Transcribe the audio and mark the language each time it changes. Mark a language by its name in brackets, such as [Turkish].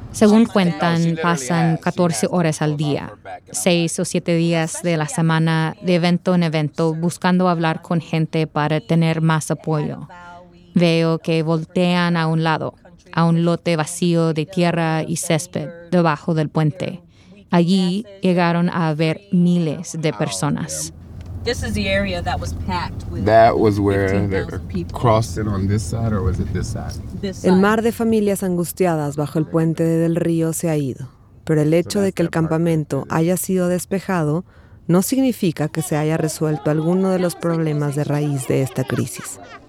[Spanish] Según cuentan, pasan 14 horas al día, 6 o 7 días de la semana, de evento en evento, buscando hablar con gente para tener más apoyo. Veo que voltean a un lado, a un lote vacío de tierra y césped debajo del puente. Allí llegaron a ver miles de personas. [English] This is the area that was packed with. That was where they crossed it on this side, or was it this side? [Spanish] El mar de familias angustiadas bajo el puente de Del Río se ha ido, pero el hecho de que el campamento haya sido despejado no significa que se haya resuelto alguno de los problemas de raíz de esta crisis.